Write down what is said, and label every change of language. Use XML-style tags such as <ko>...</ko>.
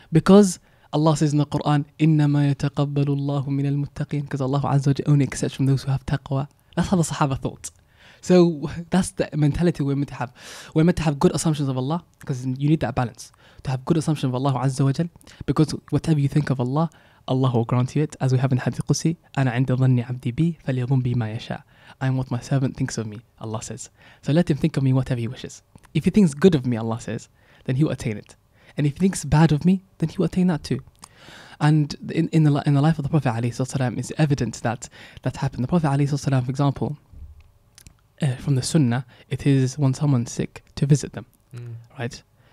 <en>Because Allah says in the Quran,</en> <ar>إِنَّمَا يَتَقَبَّلُ اللَّهُ مِنَ الْمُتَّقِينَ,</ar> <en>because Allah Azza wa Jalla only accepts from those who have taqwa. That's how the Sahaba thought. So that's the mentality we're meant to have. We're meant to have good assumptions of Allah, because you need that balance. To have good assumption of Allah Azza wa Jal, because whatever you think of Allah, Allah will grant you it. As we have in Hadith Qudsi,</en> <ar>أنا عند ظني عبدي بي فليظن بي ما يشاء.</ar> <en>I am what my servant thinks of me, Allah says. So let him think of me whatever he wishes. If he thinks good of me, Allah says, then he will attain it. And if he thinks bad of me, then he will attain that too. And in the life of the Prophet alayhi salam, it's evident that that happened. The Prophet alayhi salam, for example, from the Sunnah, it is when someone's sick to visit them, right?</en>